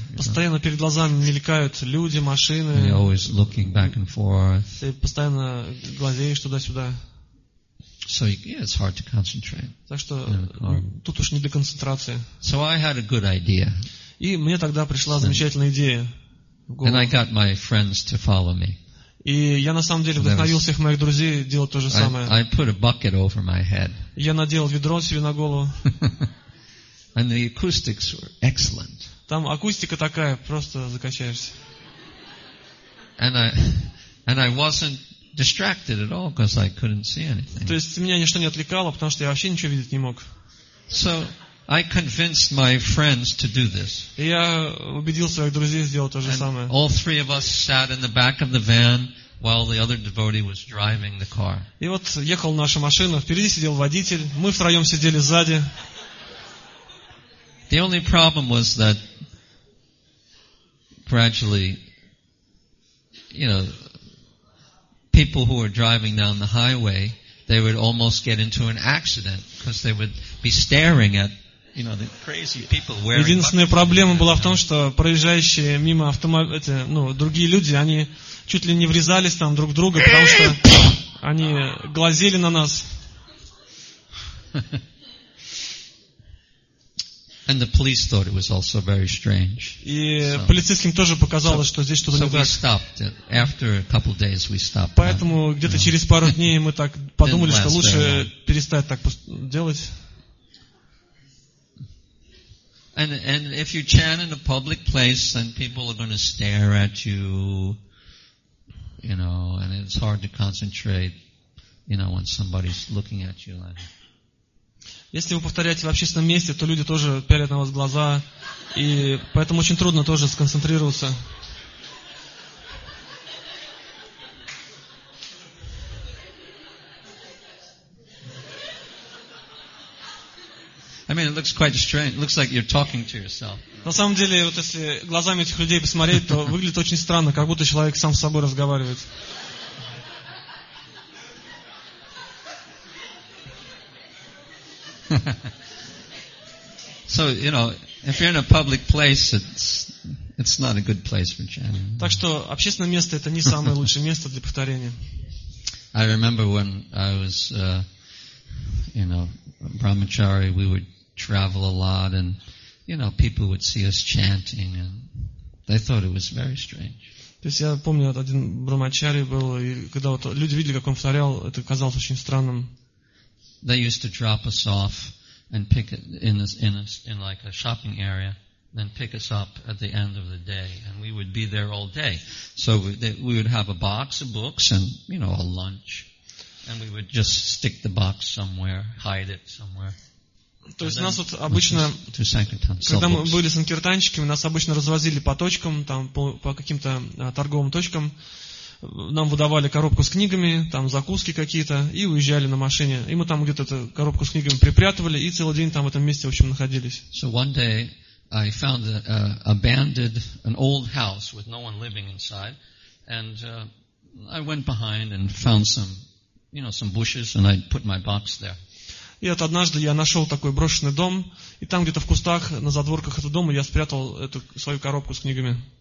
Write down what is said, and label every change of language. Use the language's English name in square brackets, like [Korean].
[Russian] Постоянно перед глазами мелькают люди, машины. [English] And you're always looking back and forth. [Russian] Ты постоянно глазеешь туда-сюда. [English] So yeah, it's hard to concentrate. [Russian] Так что тут уж не для концентрации. [English] So I had a good idea. [Russian] И мне тогда пришла замечательная идея. [English] And I got my friends to follow me. [Russian] И я на самом деле вдохновил всех моих друзей делать то же самое. [English] I put a bucket over my head. [Russian] Я надел ведро себе на голову. [English] And the acoustics were excellent. [Russian] Там акустика такая, просто закачаешься. [English] And I wasn't distracted at all because I couldn't see anything. [Russian] То есть меня ничто не отвлекало, потому что я вообще ничего видеть не мог. [English] So I convinced my friends to do this. [Russian] Я убедил своих друзей сделать то же самое. [English] All three of us sat in the back of the van while the other devotee was driving the car. [Russian] И вот ехала наша машина, впереди сидел водитель, мы втроем сидели сзади. [English] The only problem was that gradually, you know, people who were driving down the highway, they would almost get into an accident because they would be staring at. [Russian] Единственная проблема была в том, что проезжающие мимо автомобиля, ну, другие люди, они чуть ли не врезались там друг в друга, потому что они глазели на нас. [English] And the police thought it was also very strange. [Russian] И полицейским тоже показалось, что здесь что-то не так. [English] So we stopped. After a couple of days, we stopped. [Russian] Поэтому где-то через пару дней мы так подумали, что лучше перестать так делать. [English] And if you chant in a public place, then people are going to stare at you, you know, and it's hard to concentrate, you know, when somebody's looking at you like. [Russian] Если вы повторяете в общественном месте, то люди тоже пялят на вас глаза, и поэтому очень трудно тоже сконцентрироваться. [English] I mean, it looks quite strange. It looks like you're talking to yourself. [Russian] На самом деле, вот если глазами этих людей посмотреть, то выглядит очень странно, как будто человек сам с собой разговаривает. Ha ha. [English] So, you know, if you're in a public place, it's not a good place for chanting. [Russian] Так что общественное место это не самое лучшее место для повторения. [English] I remember when I was you know, brahmachari, we would travel a lot and you know, people would see us chanting and they thought it was very strange. [Russian] То есть я помню, один брахмачари был, и когда вот люди видели, как он повторял, это казалось очень странным. [English] They used to drop us off and pick it in like a shopping area, then pick us up at the end of the day, and we would be there all day. So we would have a box of books and, you know, a lunch, and we would just stick the box somewhere, hide it somewhere. [Russian] То есть нас вот обычно, когда мы были санкиртанщиками, нас обычно развозили по точкам, там, по каким-то торговым точкам, нам выдавали коробку с книгами, там закуски какие-то, и уезжали на машине. И мы там где-то эту коробку с книгами припрятывали, и целый день там в этом месте, в общем, находились. [English] So one day I found an old house with no one living inside, and I went behind and found some, you know, some bushes, and I put my box there. [Russian] И вот однажды я нашел такой брошенный дом, и там где-то в кустах, на задворках этого дома, я спрятал эту свою коробку с книгами.